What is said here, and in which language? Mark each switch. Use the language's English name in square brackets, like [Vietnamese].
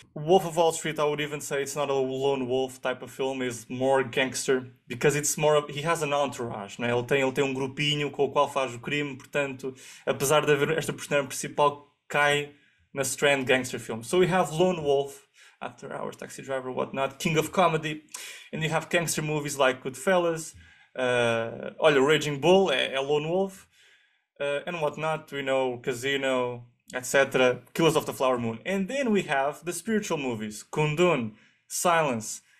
[English] Wolf of Wall Street, I would even say it's not a lone wolf type of film, is more gangster, because it's more of, he has an entourage, né? [Portuguese] Ele tem um grupinho com o qual faz o crime, portanto, apesar de haver esta personagem principal, cai na strand gangster film. [English] So we have Lone Wolf, After Hours, Taxi Driver, whatnot, King of Comedy, and you have gangster movies like Goodfellas. Olha, Raging Bull é Lone Wolf, and whatnot, we know, Casino, etc. Killers of the Flower Moon. And then we have the spiritual movies, Kundun, Silence.